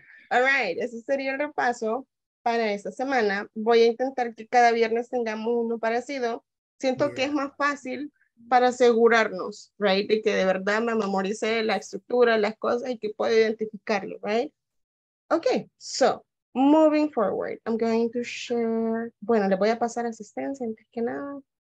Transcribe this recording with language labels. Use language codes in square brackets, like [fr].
[en] All right, [es] ese sería el repaso. para esta semana. Voy a intentar que cada viernes tengamos uno parecido. Siento que es más fácil para asegurarnos, right? De que de verdad me memorice la estructura, las cosas y que pueda identificarlo, right? [en] Okay, so moving forward, I'm going to share. [es] Bueno, le voy a pasar asistencia antes que nada.